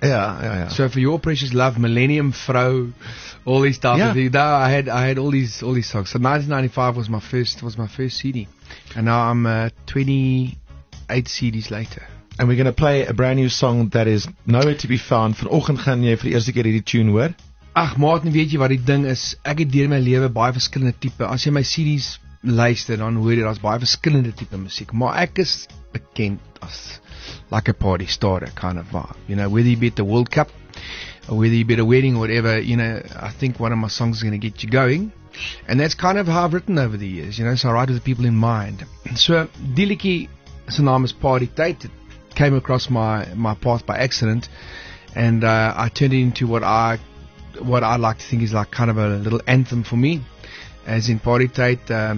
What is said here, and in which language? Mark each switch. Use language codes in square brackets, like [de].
[en] Yeah. So For Your Precious Love, Millennium Vrou, all these stuff. Yeah. I had all these songs. So 1995 was my first CD. And now I'm 28 CDs later. And we're going to play a brand new song that is nowhere to be found. [af] Vanoggend gaan jy vir die eerste keer hierdie tune hoor. Ag Martin, weet jy wat die ding is? Ek het deur my lewe baie verskillende tipe. As jy my CDs luister, dan hoor jy daar's baie verskillende tipe musiek. Maar ek is bekend as [en] like a party starter kind of vibe. You know, whether you be at the World Cup or whether you be at a wedding or whatever, you know, I think one of my songs is going to get you going. And that's kind of how I've written over the years, you know, so I write with the people in mind. [af] So die liedjie se naam is [en] Party Tyd. Came across my path by accident, and I turned it into what I like to think is like kind of a little anthem for me, as in Party Tyd.